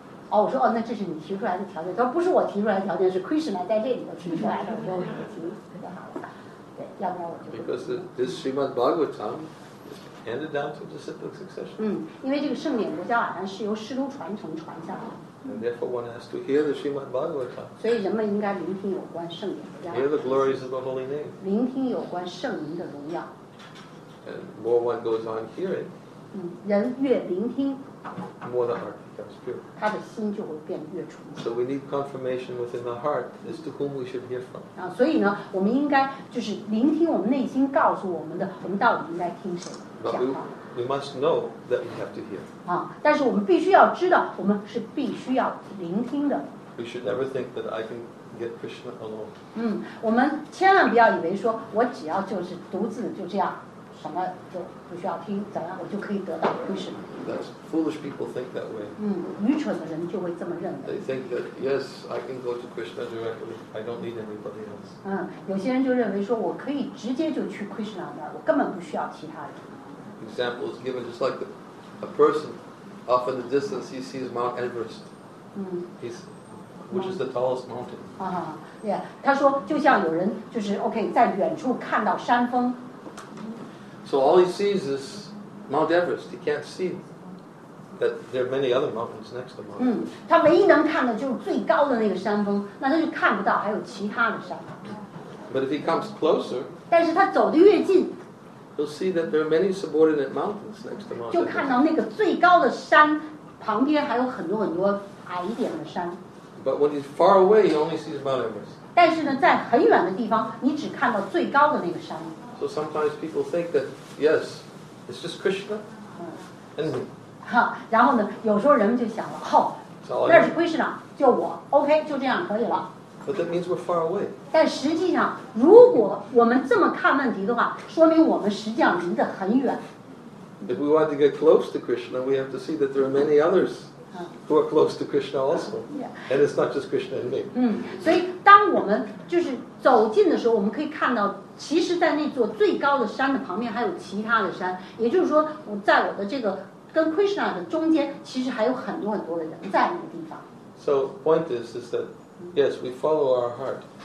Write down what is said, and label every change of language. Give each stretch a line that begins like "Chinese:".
Chinese: 哦，我说哦，那这是你提出来的条件。他说不是我提出来的条件，是 Krishna 在这里头提出来的。我说我提特别好，对，要不然我就
English: Because this Srimad Bhagavatam is handed down to disciple succession。
Chinese: 嗯，因为这个圣典国家瓦坛是由师徒传承传下来。
English: And therefore one has to hear the Srimad Bhagavatam.
Chinese: 所以人们应该聆听有关圣言的。
English: Hear the glories of the holy name.
Chinese: 聆听有关圣名的荣耀。
English: And more one goes on hearing.
Chinese: 人越聆听。
English: More the heart becomes pure.
Chinese: 他的心就会变越纯。
English: So we need confirmation within the heart as to whom we should hear from.
Chinese: 所以呢，我们应该就是聆听我们内心告诉我们的，我们到底应该听谁讲话。
English: We must know that we have to hear.
Chinese: 但是我们必须要知道，我们是必须要聆听的。
English: We should never think that I can get Krishna alone.
Chinese: 我们千万不要以为说，我只要就是独自就这样，什么就不需要听，怎样我就可以得到 Krishna。
English: That's foolish people think that way.
Chinese: 愚蠢的人就会这么认为。
English: They think that yes, I can go to Krishna directly. I don't need anybody else.
Chinese: 有些人就认为说，我可以直接就去 Krishna 那，我根本不需要其他人。
English: Example is given just like a person off in the distance, he sees Mount Everest, which is the tallest mountain. He said, just like someone is okay, in the distance, seeing the mountain. So all he sees is Mount Everest. He can't see that there are many other mountains next to Mount Everest. He can only see the tallest mountain, then he can't see any other mountains. But if he comes closer, but if he comes closer, You'll see that there are many subordinate mountains next to Mount.
Chinese: 就看到那个最高的山旁边还有很多很多矮一点的山。
English: But when he's far away, he only sees Mount Everest.
Chinese: 但是呢，在很远的地方，你只看到最高的那个山。
English: So sometimes people think that yes, it's just Krishna. And me.
Chinese: 然后呢，有时候人们就想了，哦，那是 Krishna， 就我 ，OK， 就这样可以了。
English: But that means we're far away.
Chinese: 但实际上，如果我们这么看问题的话，说明我们实际上离得很远。
English: If we want to get close to Krishna, we have to see that there are many others who are close to Krishna also. Yeah. And it's not just Krishna and me.
Chinese: 所以当我们就是走近的时候，我们可以看到，其实，在那座最高的山的旁边还有其他的山。也就是说，我在我的这个跟 Krishna 的中间，其实还有很多很多的人在那个地方。
English: So point is that. Yes, we follow our heart.